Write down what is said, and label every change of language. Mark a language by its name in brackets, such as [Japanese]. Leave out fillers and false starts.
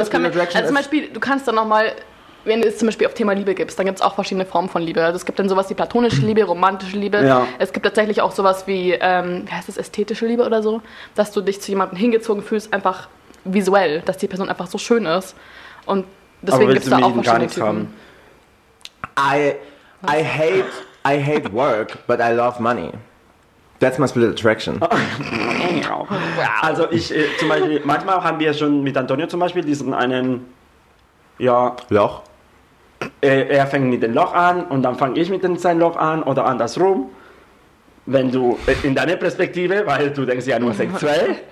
[German] Das kann mehr, also zum Beispiel, du kannst dann nochmal, wenn es zum Beispiel auf Thema Liebe gibt, dann gibt es auch verschiedene Formen von Liebe. Also es gibt dann sowas wie platonische Liebe, romantische Liebe. Ja. Es gibt tatsächlich auch sowas wie, wie heißt das, ästhetische Liebe oder so, dass du dich zu jemandem hingezogen fühlst, einfach visuell, dass die Person einfach so schön ist. Und deswegen gibt es da auch verschiedene Typen. [English] I hate work, but I love money. That's my split attraction. [German] Also ich zum Beispiel, manchmal haben wir schon mit Antonio zum Beispiel diesen einen, ja. Loch. Er fängt mit dem Loch an und dann fange ich mit sein Loch an oder andersrum. Wenn du, in deiner Perspektive, weil du denkst ja nur sexuell.